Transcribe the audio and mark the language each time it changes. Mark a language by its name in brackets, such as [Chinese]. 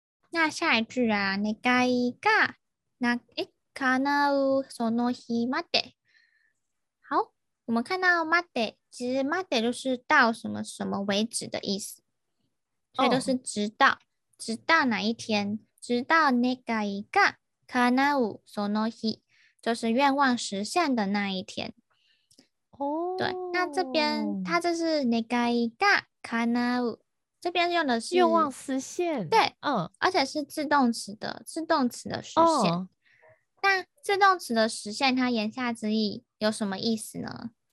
[Chinese] 那下一句啊， [Japanese] 願いが叶うその日まで。 [Chinese] 好，我们看到まで，其实まで就是到什么什么为止的意思，所以都是直到，直到哪一天，直到 [Japanese] 願いが叶うその日， [Chinese] 就是愿望实现的那一天。哦，对，那这边它这是 [Japanese] 願いが叶う。 [Chinese] 这边用的是愿望实现，对，嗯，而且是自动词的，自动词的实现。那、哦、自动词的实现，它言下之意有什么意思呢？